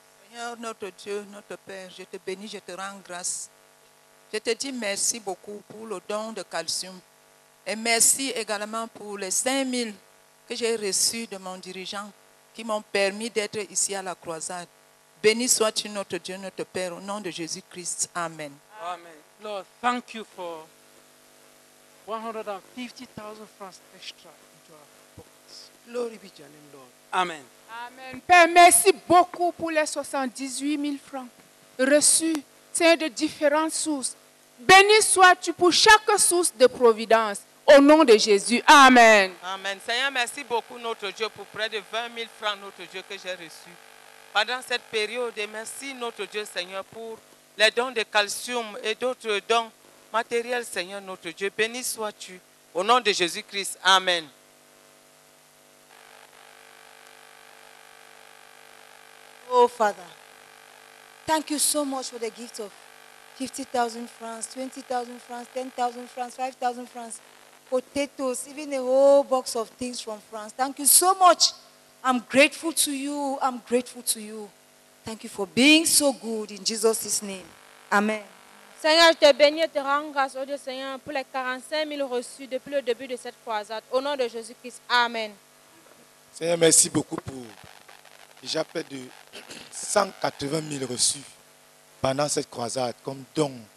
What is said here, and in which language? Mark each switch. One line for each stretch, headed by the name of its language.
French: Seigneur, notre Dieu, notre Père, je te bénis, je te rends grâce. Je te dis merci beaucoup pour le don de calcium. Et merci également pour les 5 000 que j'ai reçus de mon dirigeant qui m'ont permis d'être ici à la croisade. Béni sois-tu notre Dieu, notre Père, au nom de Jésus-Christ. Amen. Amen.
English: Lord, thank you for 150,000 francs extra into our pockets. Glory be to your name, Lord. Amen. Amen.
French: Père, merci beaucoup pour les 78 000 francs reçus, Seigneur, de différentes sources. Béni sois-tu pour chaque source de providence, au nom de Jésus. Amen. Amen. Seigneur, merci beaucoup, notre Dieu, pour près de 20 000 francs, notre Dieu, que j'ai reçus pendant cette période. Et merci, notre Dieu, Seigneur, pour les dons de calcium et d'autres dons matériels, Seigneur, notre Dieu. Béni sois-tu, au nom de Jésus-Christ. Amen.
English: Oh, Father, thank you so much for the gift of 50,000 francs, 20,000 francs, 10,000 francs, 5,000 francs, potatoes, even a whole box of things from France. Thank you so much. I'm grateful to you. I'm grateful to you. Thank you for being so good in Jesus' name. Amen.
French: Seigneur, je te bénis et te rends grâce, oh Dieu Seigneur, pour les 45 000 reçus depuis le début de cette croisade. Au nom de Jésus-Christ, amen. Seigneur, merci beaucoup pour... Déjà près de 180 000 reçus pendant cette croisade comme don.